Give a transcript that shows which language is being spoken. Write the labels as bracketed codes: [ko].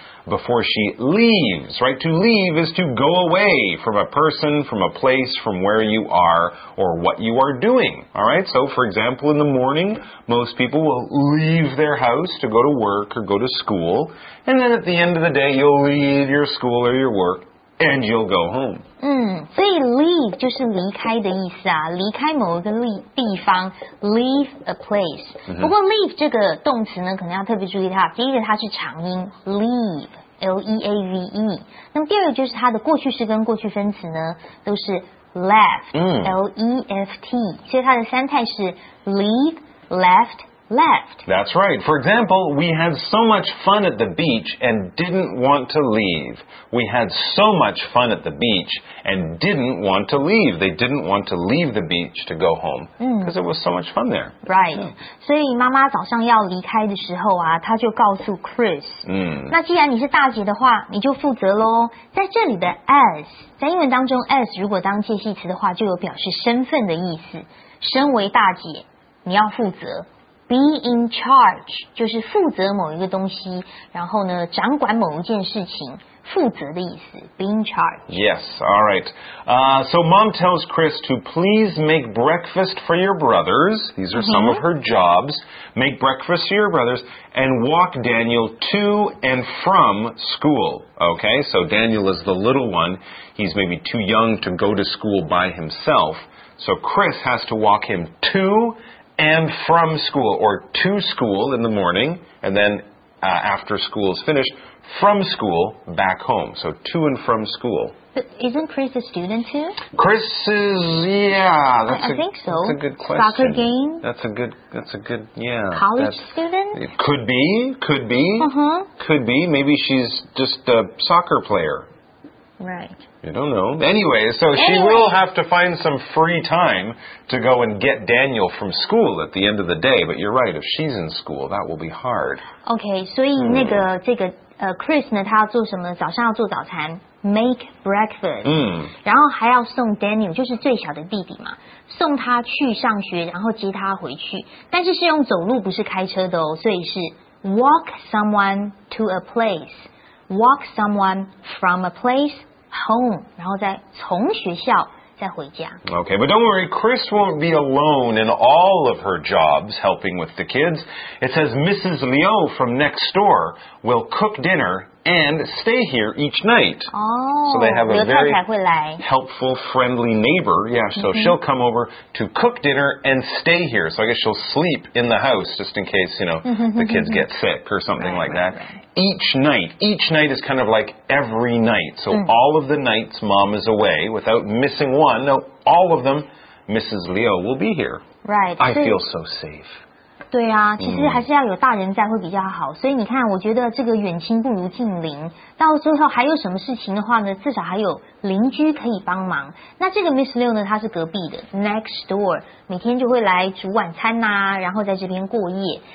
[en] Before she leaves, right? To leave is to go away from a person, from a place, from where you are, or what you are doing. All right? So, for example, in the morning, most people will leave their house to go to work or go to school. And then at the end of the day, you'll leave your school or your work. and you'll go home. [zh] 嗯，所以 leave 就是离开的意思啊，离开某一个地方 ， [en] leave a place。 [zh] 不过 leave 这个动词呢，可能要特别注意它。第一个，它是长音 leave，L-E-A-V-E。那么第二个就是它的过去式跟过去分词呢，都是 left，L-E-F-T。所以它的三态是 leave，left，left。 [en] That's right. For example, we had so much fun at the beach and didn't want to leave. We had so much fun at the beach and didn't want to leave. They didn't want to leave the beach to go home because it was so much fun there. Right.、Yeah. [zh] 所以妈妈早上要离开的时候啊，她就告诉 Chris、那既然你是大姐的话，你就负责咯。在这里的 as 在英文当中 as 如果当介系词的话，就有表示身份的意思。身为大姐，你要负责。Be in charge 就是负责某一个东西，然后呢，掌管某一件事情，负责的意思。 [en] Be in charge. Yes, all right. So mom tells Chris to please make breakfast for your brothers. These are some of her jobs. Make breakfast for your brothers and walk Daniel to and from school. Okay, so Daniel is the little one. He's maybe too young to go to school by himself. So Chris has to walk him to. And from school, or to school in the morning, and then、after school is finished, from school back home. So to and from school.、 But、isn't Chris a student too? Chris is, yeah. I think so. That's a good question. Soccer game? That's a good, yeah. College student? Could be. Could be. Maybe she's just a soccer player. Right. You don't know. Anyway, she will have to find some free time to go and get Daniel from school at the end of the day. But you're right, if she's in school, that will be hard. [zh] Okay, 所以那个、这个、Chris 呢，他要做什么？早上要做早餐 ， [en] make breakfast、 [zh] 然后还要送 Daniel， 就是最小的弟弟嘛，送他去上学，然后接他回去。但是是用走路，不是开车的哦，所以是 [en] walk someone to a place， walk someone from a place. [zh] Home, 然后再从学校再回家。 [en] Okay, but don't worry, Chris won't be alone in all of her jobs helping with the kids. It says Mrs. Leo from next door will cook dinner and stay here each night. Oh, so they have a very [zh] 太太会来 [en] helpful, friendly neighbor. Yeah, so、she'll come over to cook dinner and stay here. So I guess she'll sleep in the house just in case, you know, the kids get sick or something right, right, that. Right. Each night is kind of like every night. So、all of the nights mom is away without missing one. No, all of them, Mrs. Leo will be here. Right. I feel so safe. [zh] 对啊，其实还是要有大人在会比较好。所以你看，我觉得这个远亲不如近邻。到最后还有什么事情的话呢，至少还有邻居可以帮忙。那这个 Miss Leo 呢，她是隔壁的 next door， 每天就会来煮晚餐呐、然后在这边过夜。